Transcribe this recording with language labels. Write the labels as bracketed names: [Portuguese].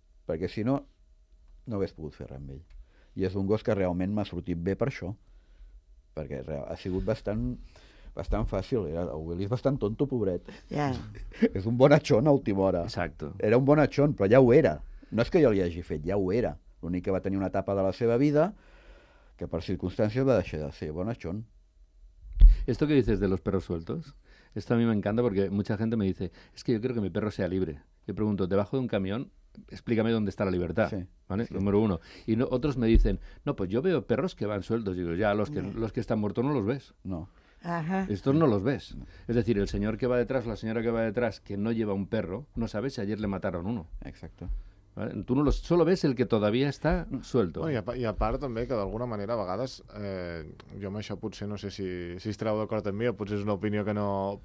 [Catalan] Perquè si no, no hagués pogut fer res amb ell. I és un gos que realment m'ha sortit bé per això, perquè ha sigut bastant fàcil. El Willy és bastant tonto, pobret. Yeah. És un bonachón a última hora. [Spanish] Exacto. [Catalan] Era un bonachón, però ja ho era. No és que jo li hagi fet, ja ho era. L'únic que va tenir una etapa de la seva vida que per circumstàncies va deixar de ser bonachón. [Spanish] Esto que dices de los perros sueltos, esto a mí me encanta porque mucha gente me dice es que yo quiero que mi perro sea libre. Yo pregunto, debajo de un camión, explícame dónde está la libertad, sí, ¿vale? Sí. Número uno. Y no, otros me dicen, no, pues yo veo perros que van sueltos. Y digo, ya, los que están muertos no los ves. No. Ajá. Estos no los ves. No. Es decir, el señor que va detrás, la señora que va detrás, que no lleva un perro, no sabe si ayer le mataron uno. Exacto. ¿Vale? Tú no los, solo ves el que todavía está suelto. Bueno, y aparte también que de alguna manera, [Catalan] a vegades, [Spanish] yo me [Catalan] això potser, no sé si estareu d'acord amb mi, o potser és una opinió que no...